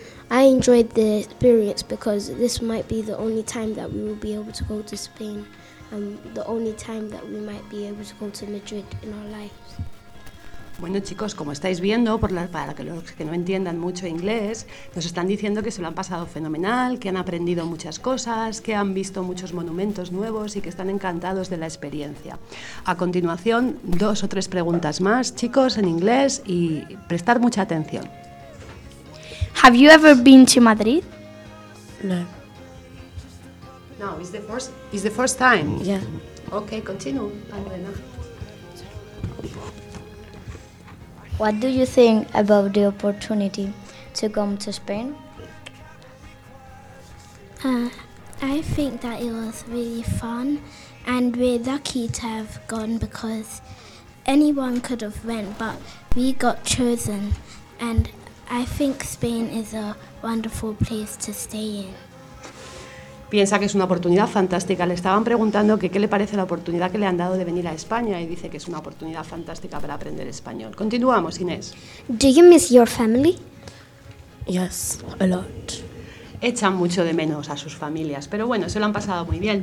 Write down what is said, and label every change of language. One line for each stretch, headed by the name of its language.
English: I enjoyed the experience because this might be the only time that we will be able to go to Spain, and the only time that we might be able to go to Madrid in our lives.
Spanish: Bueno, chicos, como estáis viendo, para los que no entiendan mucho inglés, nos están diciendo que se lo han pasado fenomenal, que han aprendido muchas cosas, que han visto muchos monumentos nuevos y que están encantados de la experiencia. A continuación, dos o tres preguntas más, chicos, en inglés, y prestar mucha atención.
English: Have you ever been to Madrid? No, it's the first time. Yeah. Okay, continue. What do you think about the opportunity to come to Spain? I think that it was really fun, and we're lucky to have gone because anyone could have went, but we got chosen, and I think Spain is a wonderful place to stay in.
Spanish: Piensa que es una oportunidad fantástica. Le estaban preguntando que qué le parece la oportunidad que le han dado de venir a España y dice que es una oportunidad fantástica para aprender español. Continuamos, Inés.
English: Do you miss your family? Yes, a lot.
Spanish: Echan mucho de menos a sus familias, pero bueno, se lo han pasado muy bien.